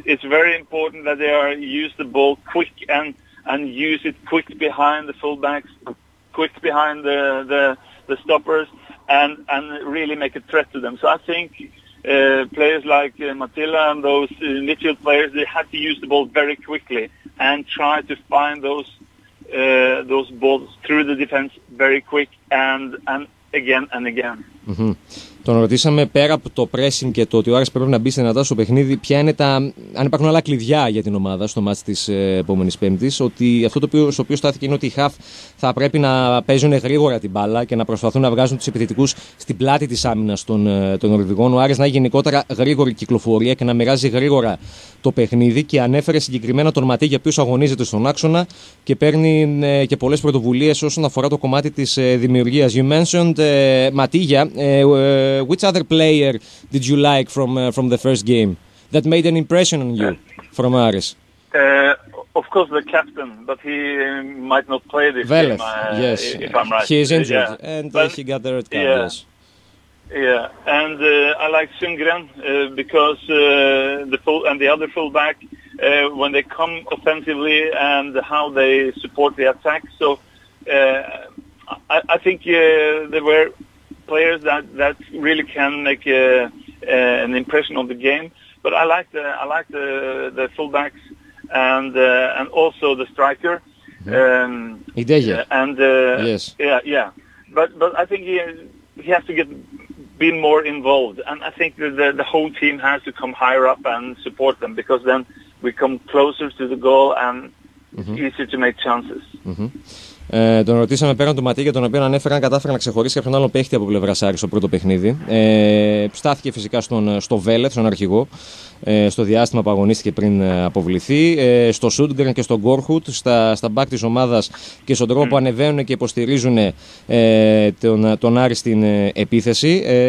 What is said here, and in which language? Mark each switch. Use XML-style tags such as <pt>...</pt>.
<en>It's very important that they are use the ball quick and use it quick behind the fullbacks, quick behind the stoppers, and really make a threat to them. So I think players like Matilla and those midfield players, they have to use the ball very quickly and try to find those balls through the defense very quick and again and again. Mm-hmm.</en> <el>Τον ρωτήσαμε πέρα από το pressing και το ότι ο Άρης πρέπει να μπει σε δυνατά στο παιχνίδι, ποια είναι τα, αν υπάρχουν άλλα κλειδιά για την ομάδα στο μάτς της επόμενης Πέμπτης. Ότι αυτό στο οποίο στάθηκε είναι ότι οι χαφ θα πρέπει να παίζουν γρήγορα την μπάλα και να προσπαθούν να βγάζουν τους επιθετικούς στην πλάτη της άμυνας των Νορβηγών. Ο Άρης να έχει γενικότερα γρήγορη κυκλοφορία και να μοιράζει γρήγορα το παιχνίδι. Και ανέφερε συγκεκριμένα τον Ματί, για ποιο αγωνίζεται στον άξονα και παίρνει και πολλές πρωτοβουλίες όσον αφορά το κομμάτι της δημιουργίας.</el> <en>You mentioned Ματίγια. Which other player did you like from the first game that made an impression on you from Aris? Of course, the captain, but he might not play this Vélez, game. Yes, if I'm right, he is injured, and he got the red card. Yeah, yes. Yeah. And I like Sundgren because the other fullback when they come offensively and how they support the attack. So I think they were players that really can make an impression on the game, but I like the fullbacks and also the striker. Idea. Yes. Yeah. But I think he has to be more involved, and I think the whole team has to come higher up and support them, because then we come closer to the goal and mm-hmm. easier to make chances. Mm-hmm.</en> <el>Τον ρωτήσαμε πέραν του Ματί, για τον οποίο ανέφεραν κατάφερε να ξεχωρίσει κάποιον άλλον παίχτη από πλευρά Άρη στο πρώτο παιχνίδι. Στάθηκε φυσικά στο Βέλεθ, στον αρχηγό, στο διάστημα που αγωνίστηκε πριν αποβληθεί, στο Σούντγκρεν και στο Γκόρχουτ, στα μπακ της ομάδας και στον τρόπο που ανεβαίνουν και υποστηρίζουν τον Άρη στην επίθεση.</el>